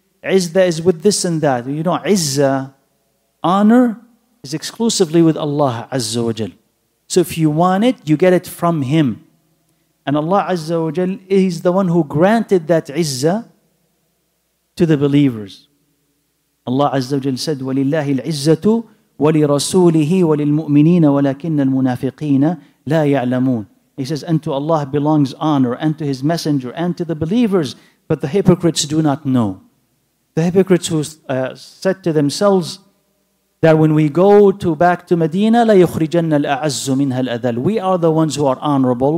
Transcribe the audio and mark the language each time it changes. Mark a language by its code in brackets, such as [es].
[en] Izzah is with this and that. You know, izzah, honor, is exclusively with Allah Azza wa Jal. So if you want it, you get it from Him. And Allah Azza wa Jal is the one who granted that izzah to the believers. Allah Azza wa Jal said, [ar] وَلِلَّهِ الْعِزَّةُ وَلِرَسُولِهِ وَلِلْمُؤْمِنِينَ وَلَكِنَّ الْمُنَافِقِينَ لَا يَعْلَمُونَ. [en] He says, unto Allah belongs honor, and to His messenger, and to the believers, but the hypocrites do not know. The hypocrites who said to themselves that when we go to back to Medina, [ar] لَيُخْرِجَنَّ الْأَعَزُّ مِنْهَا الْأَذَلُ, [en] we are the ones who are honorable.